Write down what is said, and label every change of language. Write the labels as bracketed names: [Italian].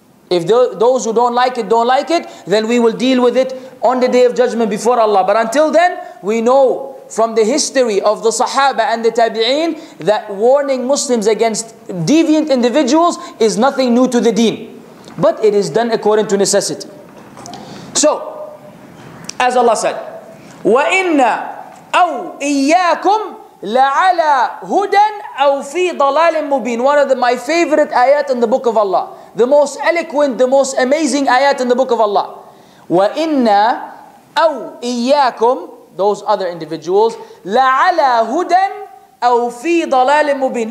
[English] If those who don't like it, don't like it, then we will deal with it on the Day of Judgment before Allah. But until then, we know from the history of the Sahaba and the Tabi'een that warning Muslims against deviant individuals is nothing new to the deen. But it is done according to necessity. So, as Allah said, [Arabic] وَإِنَّ أَوْ إِيَّاكُمْ لَعَلَى هُدًى أَوْ فِي ضَلَالٍ مُبِينٍ. [English] One of my favorite ayat in the book of Allah. The most eloquent, the most amazing ayat in the book of Allah. [Arabic] وَإِنَّ أَوْ إِيَّاكُمْ, [English] those other individuals, [Arabic] لَعَلَى هُدًى أَوْ فِي ضَلَالٍ مُبِينٍ.